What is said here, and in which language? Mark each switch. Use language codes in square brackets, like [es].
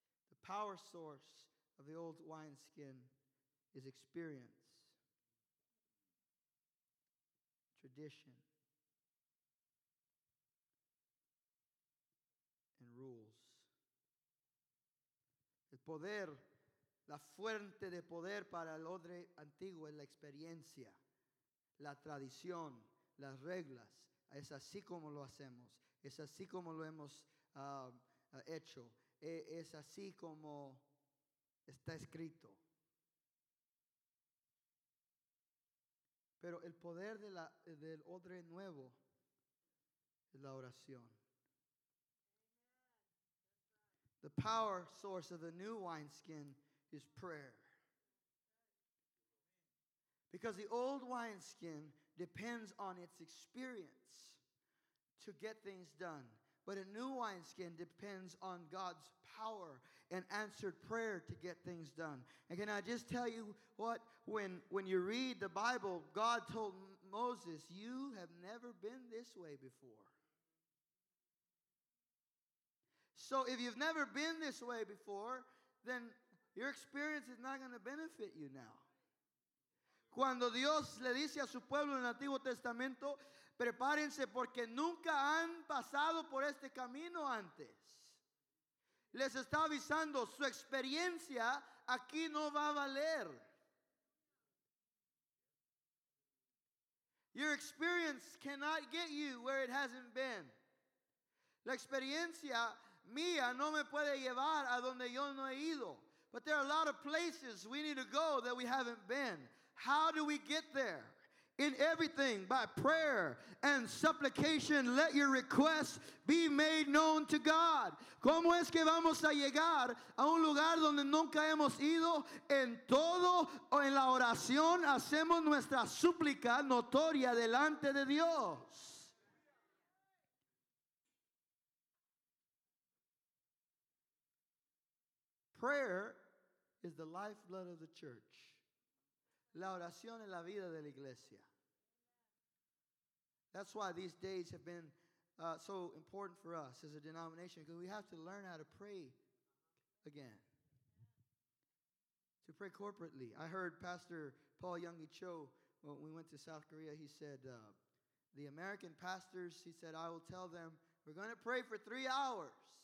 [en] The power source of the old wineskin is experience, tradition, and rules. [es] El poder, la fuente de poder para el odre antiguo es la experiencia, la tradición, las reglas. Es así como lo hacemos. Es así como lo hemos hecho. Es así como está escrito. Pero el poder de del odre nuevo es la oración. [en] The power source of the new wineskin is prayer. Because the old wineskin depends on its experience to get things done. But a new wineskin depends on God's power and answered prayer to get things done. And can I just tell you what? When you read the Bible, God told Moses, "You have never been this way before." So if you've never been this way before, then your experience is not going to benefit you now. [es] Cuando Dios le dice a su pueblo en el Antiguo Testamento, prepárense porque nunca han pasado por este camino antes. Les está avisando, su experiencia aquí no va a valer. [en] Your experience cannot get you where it hasn't been. [es] La experiencia mía no me puede llevar a donde yo no he ido. [en] But there are a lot of places we need to go that we haven't been. How do we get there? In everything, by prayer and supplication, let your requests be made known to God. [es] ¿Cómo es que vamos a llegar a un lugar donde nunca hemos ido? En todo o en la oración hacemos nuestra súplica notoria delante de Dios. [en] Prayer is the lifeblood of the church. [es] La oración es la vida de la iglesia. [en] That's why these days have been so important for us as a denomination, because we have to learn how to pray again. To pray corporately. I heard Pastor Paul Youngi Cho, when we went to South Korea, he said, the American pastors, he said, I will tell them, we're going to pray for 3 hours.